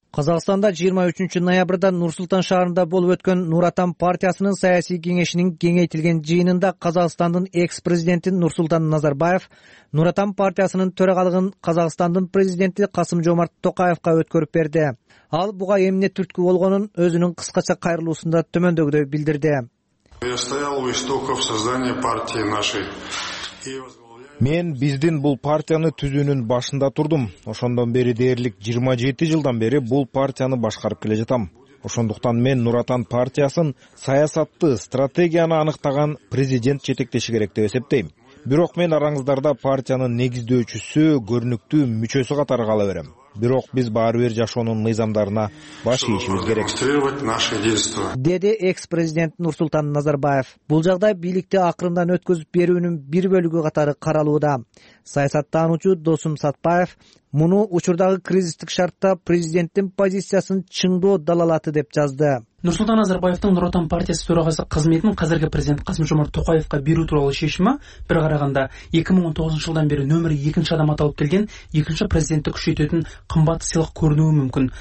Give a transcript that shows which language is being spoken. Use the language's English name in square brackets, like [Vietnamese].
[Kyrgyz] Казакстанда 23 ноябрда Нур-Султан шаарында болуп өткөн Нур Отан партиясынын саясий кеңешинин кеңейтилген жыйынында Казакстандын экс-президенти Нурсултан Назарбаев Нур Отан партиясынын төрагалыгын Казакстандын президенти Касым Жомарт Токаевка өткөрүп берди. Ал буга эмне түрткү болгонун өзүнүн кыскача кайрылуусунда төмөндөгүдөй билдирди. [Russian] Я стоял у истоков создания партии нашей. [Kyrgyz] Мен биздин бул партияны түзүүнүн башында турдум. Ошондон бери дээрлик 27 жылдан бери бул партияны башкарып келе жатам. Ошондуктан мен Нур Отан партиясын саясатты, стратегияны аныктаган президент жетектеши керек деп эсептейм. Бирок мен араңыздарда партиянын негиздөөчүсү, көрүнүктүү мүчөсү катары кала берем. Бирок биз баары бир жашоонун мыйзамдарына баш ийишибиз керек. Деди экс-президент Нурсултан Назарбаев. Бул жагдай бийликти акырындан өткөзүп берүүнүн бир бөлүгү катары каралууда. Саясаттануучу Досум Сатпаев муну учурдагы кризистик шартта президенттин позициясын чыңдоо далалаты деп жазды. Нурсултан Назарбаевдин Нур Отан партиясы төрагасы кызметин азыркы президент Касым Жомарт Токаевка берүү тууралуу чечими бир караганда 2019 жылдан бери номер 2 адам аталып келген экинчи президентти күчөйтөтүн кымбат сыйлык көрүнүү мүмкүн.